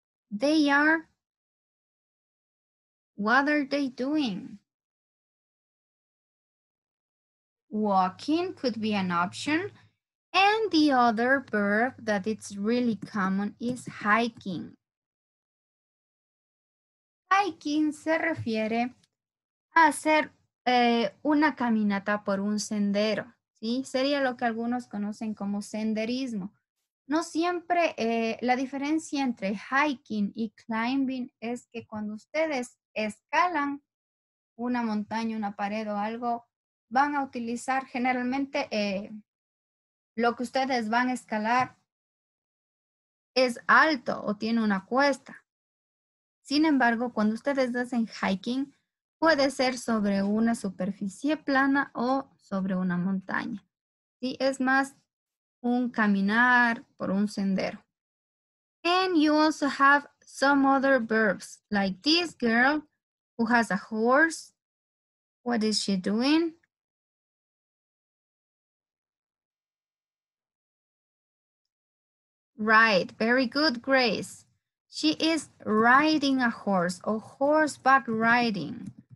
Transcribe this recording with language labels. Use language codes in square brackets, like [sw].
[en] They are, what are they doing? walking could be an option. And the other verb that it's really common is hiking. [es] Hiking se refiere a hacer una caminata por un sendero, ¿sí? Sería lo que algunos conocen como senderismo. No siempre, la diferencia entre hiking y climbing es que cuando ustedes escalan una montaña, una pared o algo, van a utilizar generalmente lo que ustedes van a escalar es alto o tiene una cuesta. Sin embargo, cuando ustedes hacen hiking, puede ser sobre una superficie plana o sobre una montaña. Sí, es más un caminar por un sendero. [en] And you also have some other verbs, like this girl who has a horse. What is she doing? Right, very good, Grace. She is riding a horse or horseback riding.